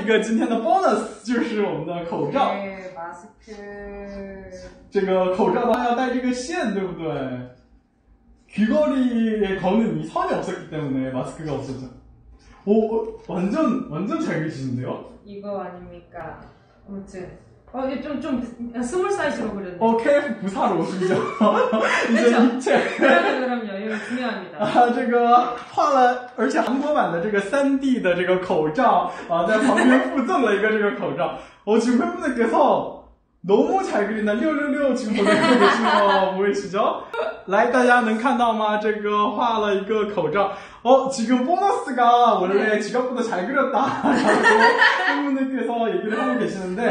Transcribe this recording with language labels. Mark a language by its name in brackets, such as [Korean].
[Chinese] 来，在旁边这个附加一个今天的bonus，就是我们的口罩。 [Korean] 네, 마스크. [Chinese] 这个口罩的话要带这个线，对不对？ [Korean] 귀걸이에 거는 이 선이 없었기 때문에 마스크가 없었죠. 오, 완전 잘 그리시는데요? 이거 아닙니까? 아무튼. 어, 이게 좀 스몰 사이즈로 그렸네. 어, KF 부사로 그죠? 이제 입체. 그럼요, 이거 중요합니다. [Chinese] 아, 这个, 画了,而且韩国版的这个 3D的这个口罩, 아, 在旁边附赠了一个这个口罩. [Korean] 어, 지금 팬분들께서 너무 잘 그린다. 666 지금 보내고 계신 거 보이시죠? [Chinese] 来, 大家能看到吗?这个画了一个口罩. [Korean] 어, 지금 보너스가 원래 네. 지갑보다 잘 그렸다. 라고 팬분들께서 얘기를 하고 계시는데.